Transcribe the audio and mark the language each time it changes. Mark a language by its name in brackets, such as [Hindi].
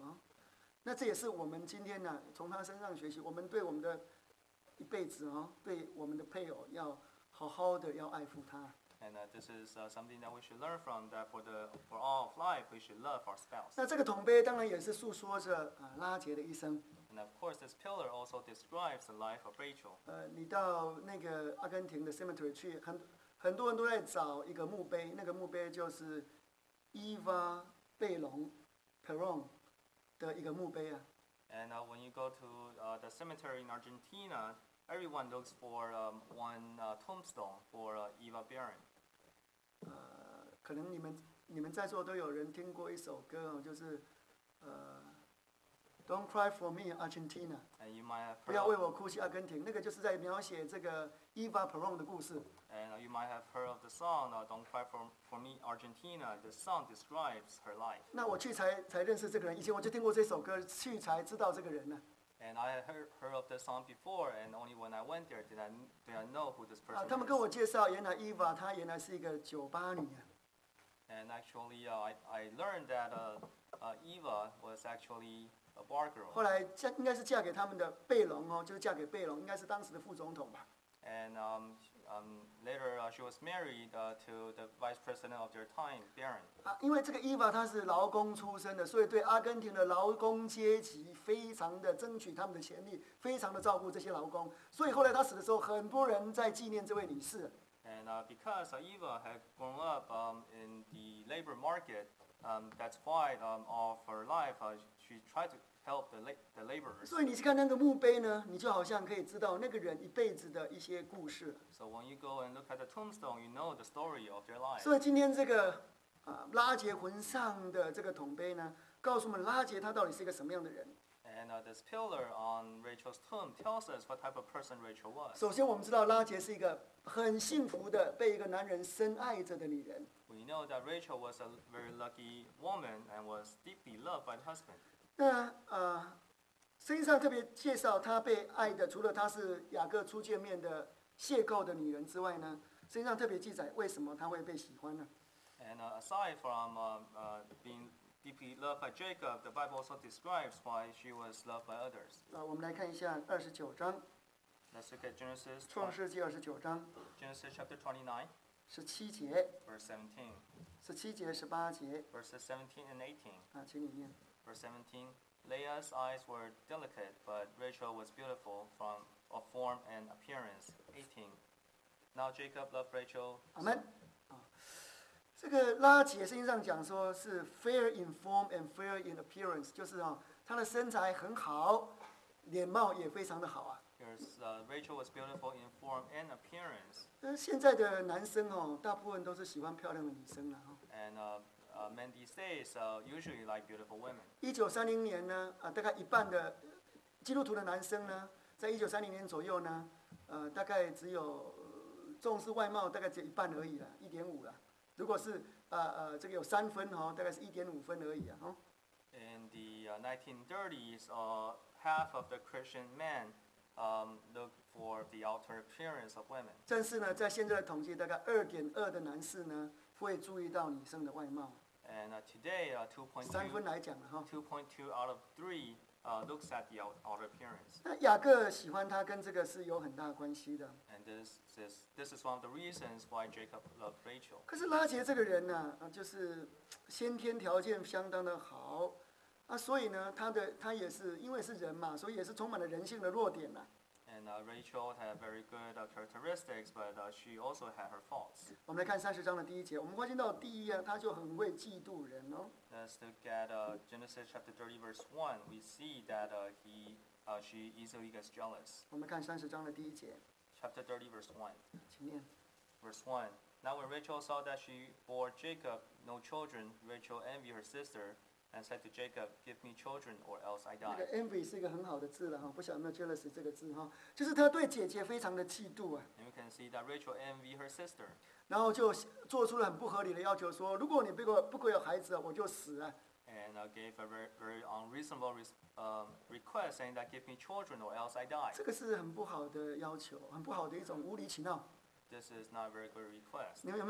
[Chinese] 啊，那这也是我们今天呢、啊，从他身上学习，我们对我们的一辈子啊，对我们的配偶要。好好的要爱护他。 [English] And this is something that we should learn from. That for all of life, we should love our spouse. [Chinese] 那这个桶杯当然也是诉说着啊拉杰的一生。 [English] And of course, this pillar also describes the life of Rachel. [Chinese] 你到那个阿根廷的 cemetery 去，很多人都在找一个墓碑，那个墓碑就是 Eva Perón 的一个墓碑啊。 [English] And when you go to the cemetery in Argentina. Everyone looks for tombstone for Eva Perón. [Chinese] 可能你们在座都有人听过一首歌，就是Don't Cry for Me, Argentina. [English] And you might have [Chinese] 不要为我哭泣，阿根廷。那个就是在描写这个 Eva Perón 的故事。 [English] And you might have heard of the song Don't Cry for Me, Argentina. The song describes her life. [Chinese] 那我去才认识这个人，以前我就听过这首歌，去才知道这个人呢。 [English] And I had heard of this song before, and only when I went there did I know who this person is. [Chinese] 他们跟我介绍，原来 Eva 她原来是一个酒吧女。 [English] And actually, I learned that Eva was actually a bar girl. [Chinese] 后来应该是嫁给他们的贝隆哦，就是嫁给贝隆，应该是当时的副总统吧。 [English] And later she was married to the vice president of their time, Perón. [Chinese] 因为这个 Eva 她是劳工出身的，所以对阿根廷的劳工阶级非常的争取他们的权利，非常的照顾这些劳工。所以后来她死的时候，很多人在纪念这位女士。 [English] And because Eva had grown up in the labor market, that's why all of her life she tried to help the laborers. [Chinese] 所以你去看那个墓碑呢，你就好像可以知道那个人一辈子的一些故事。 [English] So when you go and look at the tombstone, you know the story of their life. [Chinese] 所以今天这个拉杰魂上的这个桶杯呢，告诉我们拉杰他到底是一个什么样的人。 [English] And this pillar on Rachel's tomb tells us what type of person Rachel was. [Chinese] 首先我们知道拉杰是一个很幸福的被一个男人深爱着的女人。 [English] We know that Rachel was a very lucky woman and was deeply loved by her husband. [Chinese] 那圣经上特别介绍她被爱的，除了她是雅各初见面的邂逅的女人之外呢，圣经上特别记载为什么她会被喜欢呢 [English] ？And aside from being deeply loved by Jacob, the Bible also describes why she was loved by others. [Chinese] 我们来看一下二十九章。 [English] Let's look at Genesis. [Chinese] 创世纪二十九章。 [English] Genesis chapter 29. [Chinese] 十七节。 [English] Verse 17. [Chinese] 十七节十八节。 [English] Verses 17 and 18. [Chinese] 请你念。 [English] Verse 17, Leah's eyes were delicate, but Rachel was beautiful from a form and appearance. 18, now Jacob loved Rachel. Amen. [Chinese] 这个拉杰圣经上讲说是 [English] fair in form and fair in appearance, [Chinese] 就是她的身材很好，脸貌也非常的好啊。 [English] Rachel was beautiful in form and appearance. [Chinese] 现在的男生大部分都是喜欢漂亮的女生了。 [English] Men these days usually like beautiful women. [Chinese] 1930年呢，大概一半的基督徒的男生呢，在1930年左右呢，大概只有重视外貌，大概只有一半而已啦，1.5啦。如果是这个有三分大概是1.5分而已啊。 [English] In the 1930s, half of the Christian men look for the outer appearance of women. [Chinese] 但是呢，在现在的统计，大概2.2的男士呢，会注意到女生的外貌。 [English] And today, 2.2 out of 3 looks at the outer appearance. [Chinese] 那雅各喜欢她跟这个是有很大关系的。 [English] And this is one of the reasons why Jacob loved Rachel. [Chinese] 可是拉杰这个人呢，就是先天条件相当的好，所以呢，他也是因为是人嘛，所以也是充满了人性的弱点呐。 [English] And Rachel had very good characteristics, but she also had her faults. [Chinese] 我们来看三十章的第一节。我们关心到第一她就很会嫉妒人哦。 [English] Let's look at Genesis chapter 30, verse 1. We see that she easily gets jealous. [Chinese] 我们看三十章的第一节。 [English] Chapter 30, verse 1. [Chinese] 请念。 [English] Verse 1. Now when Rachel saw that she bore Jacob no children, Rachel envied her sister, and said to Jacob, "Give me children, or else I die." [Chinese] 那个envy 是一个很好的字了哈，不晓得有没有 jealous 这个字哈，就是他对姐姐非常的嫉妒啊。 [English] And you can see that Rachel envied her sister. [Chinese] 然后就做出了很不合理的要求，说如果你不给我孩子，我就死了。 [English] And gave a very unreasonable request, saying that give me children, or else I die. [Chinese] 这个是很不好的要求，很不好的一种无理取闹。 [English] This is not a very good request.